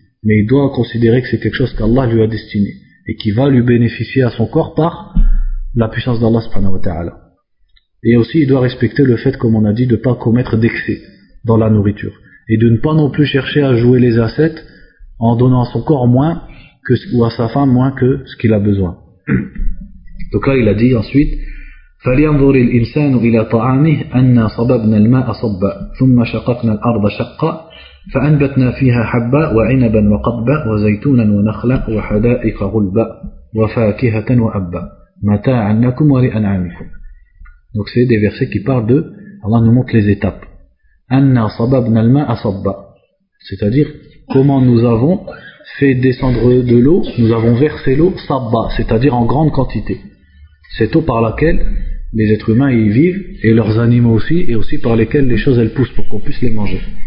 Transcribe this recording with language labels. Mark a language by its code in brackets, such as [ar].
[fr] Mais il doit considérer que c'est quelque chose qu'Allah lui a destiné et qui va lui bénéficier à son corps par la puissance d'Allah subhanahu wa ta'ala. Et aussi, il doit respecter le fait, comme on a dit, de ne pas commettre d'excès dans la nourriture. Et de ne pas non plus chercher à jouer les ascètes en donnant à son corps moins que, ou à sa femme moins que ce qu'il a besoin. Donc là, il a dit ensuite, [ar] فَلْيَنْظُرِ الْإِنسَانُ إِلَى طَعَامِهِ أَنَّا صَبَبْنَا الْمَاءَ صَبَّا ثُمَّ شَقَقْنَا الْأَرْضَ شَقَّا فَأَنْبَتْنَا فِيهَا حَبَّا وَعِنَبًا وَقَضْبًا وَزَيْتُونًا وَنَخْلًا وَحَدَائِقَ غُلْبًا وَفَاكِهَةً وَأَبًّا مَتَاعًا لَكُمْ وَلِأَنْعَامِكُمْ. [fr] Donc c'est des versets qui parlent de, Allah nous montre les étapes. [ar] أَنَّا صَبَبْنَا الْمَاءَ صَبَّا, [fr] c'est-à-dire comment nous avons fait descendre de l'eau, nous avons versé l'eau, صَبَّا, c'est-à-dire en grande quantité. Cette eau par laquelle les êtres humains y vivent, et leurs animaux aussi, et aussi par lesquelles les choses elles poussent pour qu'on puisse les manger.